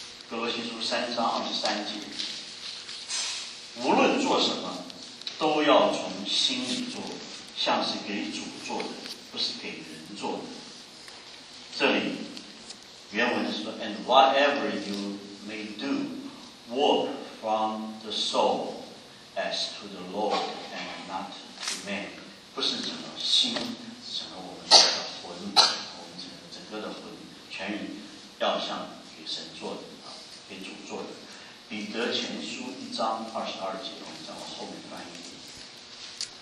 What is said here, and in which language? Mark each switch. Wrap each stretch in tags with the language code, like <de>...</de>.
<zh>哥罗西书3:23，无论做什么，都要从心里做，像是给主做的，不是给人做的。这里原文是说</zh> <en>，And whatever you may do, work from the soul, as to the Lord and not to man。</en> <zh>不是整个心，是整个我们的魂，我们整个的魂，全人要像给神做的。给主做的，彼得前书1:22，我们再往后面翻译。</zh>